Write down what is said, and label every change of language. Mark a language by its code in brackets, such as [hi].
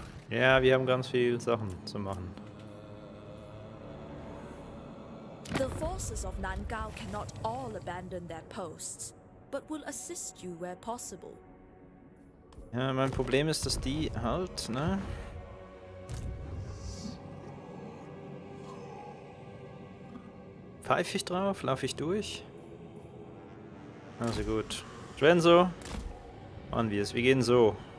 [de] Ja, wir haben ganz viele Sachen zu machen. [en] The forces of Nangao cannot all abandon their posts, but will assist you where possible. [de] Ja, mein Problem ist, dass die halt, ne? Pfeife ich drauf, laufe ich durch. Also gut. Schwenso. Machen wir es. Wir gehen so.